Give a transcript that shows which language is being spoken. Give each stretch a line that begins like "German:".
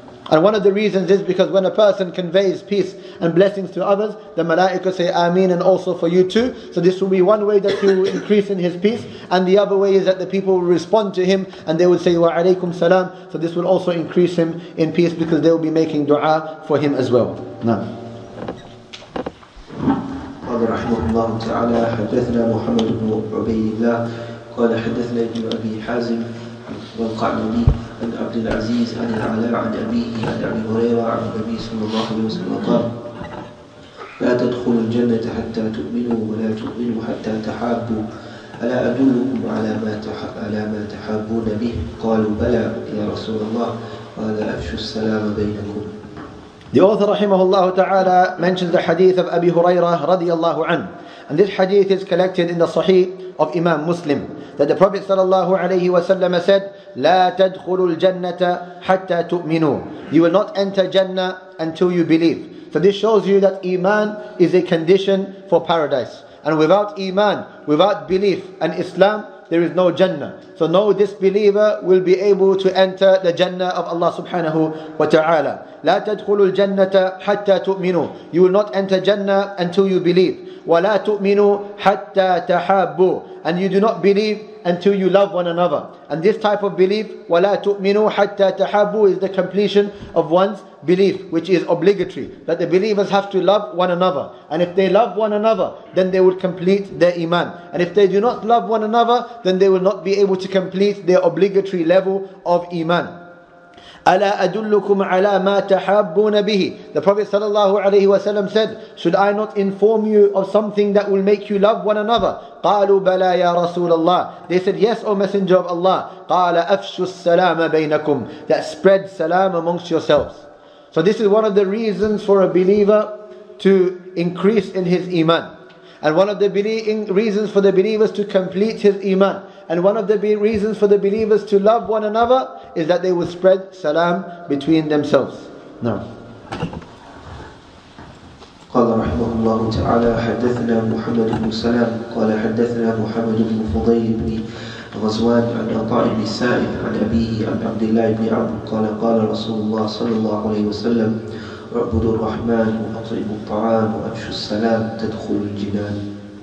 English: And one of the reasons is because when a person conveys peace and blessings to others, the malaika say ameen, and also for you too. So this will be one way that he will increase in his peace. And the other way is that the people will respond to him and they will say wa alaykum salam. So this will also increase him in peace, because they will be making dua for him as well. Now,
Arabic: Father rahimahullah ta'ala, hadithna Muhammad ibn Ubaydillah, qala hadithna ibn Abi Hazim, wal-Qa'nabi, عن عبد العزيز عن العلاء عن أبيه عن أبي هريرة عن النبي صلى الله عليه وسلم قال: لا تدخلوا الجنة حتى تؤمنوا ولا تؤمنوا حتى تحابوا، ألا أدلكم على ما تحابون به؟ قالوا: بلى يا رسول الله. قال: أفشوا السلام بينكم.
English: The author rahimahullah ta'ala mentions the hadith of Abi Huraira radiyallahu an. And this hadith is collected in the Sahih of Imam Muslim, that the Prophet sallallahu alayhi wa sallam said,
Arabic: لا تدخلوا الجنة حتى تؤمنوا.
English: You will not enter Jannah until you believe. So this shows you that Iman is a condition for paradise. And without Iman, without belief and Islam, there is no Jannah. So no disbeliever will be able to enter the Jannah of Allah subhanahu wa ta'ala.
Arabic: لا تدخلوا الجنة حتى تؤمنوا.
English: You will not enter Jannah until you believe.
Arabic: ولا تؤمنوا حتى تحابوا.
English: And you do not believe until you love one another. And this type of belief,
Arabic: ولا تؤمنوا حتى تحابوا,
English: is the completion of one's belief, which is obligatory, that the believers have to love one another. And if they love one another, then they will complete their iman. And if they do not love one another, then they will not be able to complete their obligatory level of iman.
Arabic: ألا أدلكم على ما تحبون به.
English: The Prophet sallallahu alaihi wasallam said, should I not inform you of something that will make you love one another?
Arabic: قالوا بلى يا رسول الله.
English: They said, yes, O Messenger of Allah.
Arabic: قال أفشوا السلام بينكم,
English: that spread salam amongst yourselves. So this is one of the reasons for a believer to increase in his iman. And one of the reasons for the believers to complete his iman, and one of the reasons for the believers to love one another, is that they will spread salam between themselves. No.
Arabic: قال رحمه الله تعالى حدثنا محمد بن سلام قال حدثنا محمد بن فضيل بن غزوان عن عطاء بن سائب عن أبيه عن عبد الله بن عمرو قال قال رسول الله صلى الله عليه وسلم اعبدوا الرحمن واطعموا الطعام وأنشوا السلام تدخل الجنان.